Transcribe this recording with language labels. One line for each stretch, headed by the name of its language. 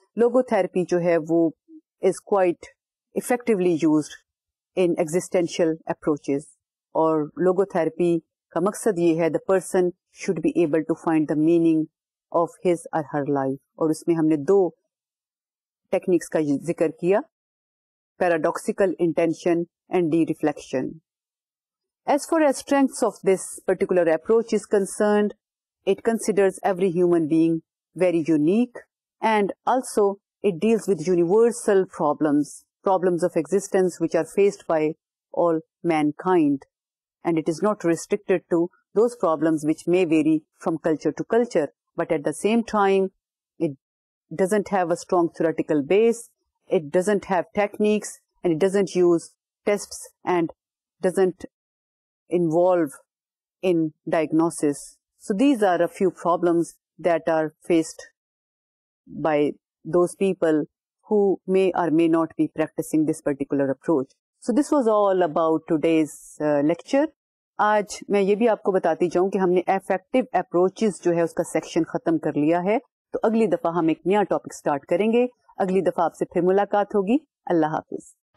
Urdu: لوگو therapy جو ہے وہ
English: is quite effectively used in existential approaches,
Urdu: اور لوگو تھراپی کا مقصد یہ ہے
English: The person should be able to find the meaning of his or her life.
Urdu: اور اس میں ہم نے دو ٹیکنیکس کا ذکر کیا، paradoxical intention and de-reflection.
English: As far as strengths of this particular approach is concerned, it considers every human being very unique, and also it deals with universal problems, problems of existence which are faced by all mankind, and it is not restricted to those problems which may vary from culture to culture, but at the same time it doesn't have a strong theoretical base, it doesn't have techniques, and it doesn't use tests and doesn't involve in diagnosis. So these are a few problems that are faced by those people who may or may not be practicing this particular approach. So this was all about today's lecture.
Urdu: آج میں یہ بھی آپ کو بتاتی جاؤں کہ ہم نے افیکٹو اپروچز جو ہے اس کا سیکشن ختم کر لیا ہے. تو اگلی دفعہ ہم ایک نیا ٹاپک اسٹارٹ کریں گے. اگلی دفعہ آپ سے پھر ملاقات ہوگی. اللہ حافظ.